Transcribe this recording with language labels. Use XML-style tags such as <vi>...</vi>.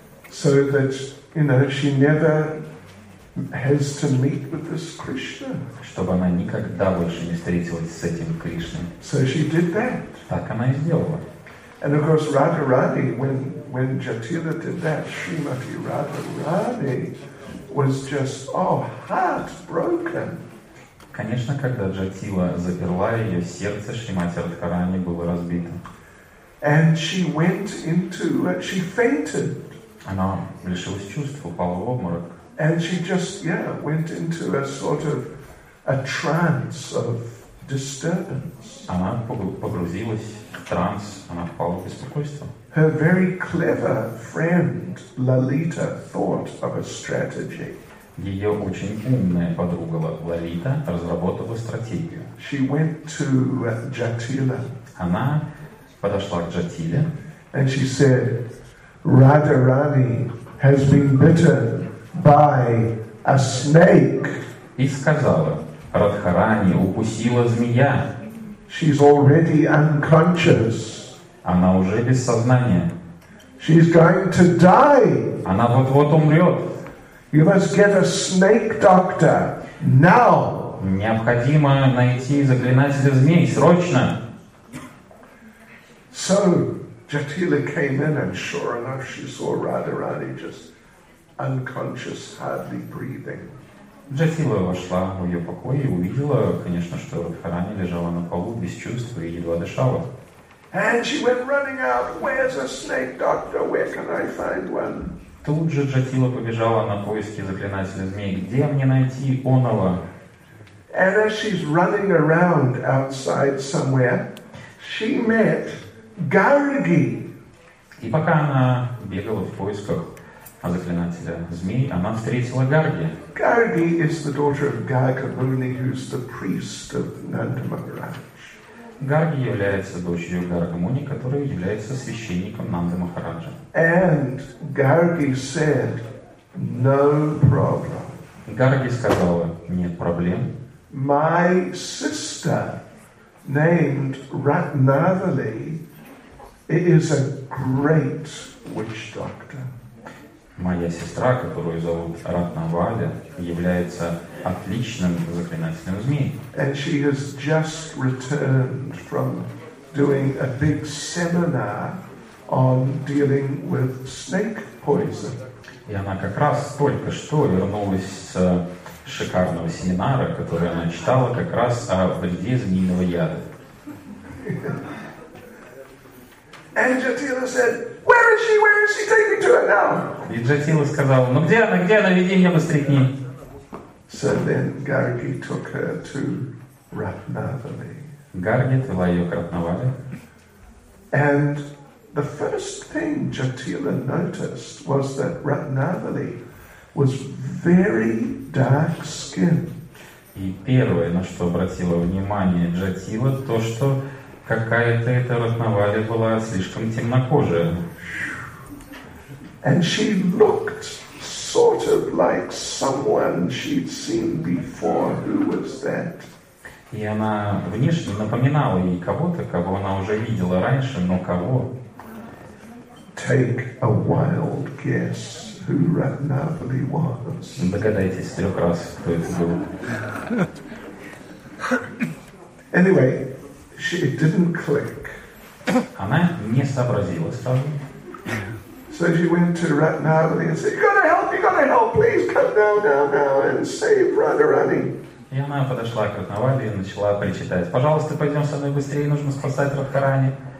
<en>So that, you know, she never has to meet with this Krishna.</en> <ru>Чтобы она никогда больше не встретилась с этим Кришной.</ru> <en>So she did that.</en> <ru>Так она и сделала.</ru> <en>And of course, Radharani, when Jatila did that, Shrimati Radharani was just, heartbroken.</en> <ru>Конечно, когда Джатила заперла ее, сердце Шримати Радхарани было разбито.</ru> <en>And she went into, she fainted.</en> <ru>Она лишилась чувств, упала в обморок.</ru> <en>And she just, went into a sort of a trance of disturbance.</en> <ru>Она погрузилась в транс, она впала в беспокойство.</ru> <en>Her very clever friend Lalita thought of a strategy.</en> <ru>Ее очень умная подруга Лолита разработала стратегию.</ru> <en>She went to Jatila.</en> <ru>Она подошла к Джатиле.</ru> <en>And she said, Radharani has been bitten by a snake.</en> <ru>И сказала, Радхарани укусила змея.</ru> <en>She's already unconscious.</en> <ru>Она уже без сознания.</ru> <en>She's going to die.</en> <ru>Она вот-вот умрет.</ru> <en>You must get a snake doctor now.</en> <ru>Необходимо найти заклинателя змей срочно.</ru> <en>So Jatila came in, and sure enough, she saw Radharani just unconscious, hardly breathing.</en> <ru>Jatila вошла в ее покои и увидела, конечно, что Радхарани лежала на полу без чувств и едва дышала.</ru> <en>And she went running out. Where's a snake doctor? Where can I find one?</en> <ru>Тут же Джатила побежала на поиски заклинателя змей. Где мне найти оного?</ru> <en>And as she's running around outside somewhere, she met Gargi.</en> <ru>И пока она бегала в поисках заклинателя змей, она встретила Гарги.</ru> <en>Gargi is the daughter of Gargamuni, who's the priest of Nanda Maharaj.</en> <ru>Гарги является дочерью Гаргамуни, который является священником Нанда Махараджа.</ru> <en>And Gargi said, no problem.</en> <ru>Гарги сказала, нет проблем.</ru> <en>My sister named Ratnavali is a great witch doctor.</en> <ru>Моя сестра, которую зовут Ратнавали, является отличным заклинателем змей.</ru> <en>And she has just returned from doing a big seminar on dealing with snake poison.</en> <ru>И она как раз только что вернулась с шикарного семинара, который она читала как раз о вреде змеиного яда.</ru> <en>And Jatila said, where is she? Where is she? Take me to her now.</en> <ru>И Джатила сказала, ну где она? Где она? Веди меня быстрее к ней.</ru> <en>So then Gargi took her to Ratnavali.</en> <ru>Гарги отвела ее к Ратнавали.</ru> <en>And the first thing Jatila noticed was that Ratnavali was very dark skin.</en> <ru>И первое, на что обратила внимание Джатила, то, что какая-то эта Ратнавали была слишком темнокожая.</ru> <en>And she looked sort of like someone she'd seen before. Who was that?</en> <ru>И она внешне напоминала ей кого-то, кого она уже видела раньше, но кого?</ru> <en>take a wild guess who Ratnavali was.</en> <ru>Догадайтесь трех раз, кто это был.</ru> <en>Anyway, she didn't click.</en> <ru>Она не сообразила сразу.</ru> <en>So she went to Ratnavali and said, you gotta help, please come now, now, now and save Radharani.</en> <ru>И она подошла к Ратнавали и начала причитать. Пожалуйста, пойдем со мной быстрее, нужно спасать Радхарани.</ru>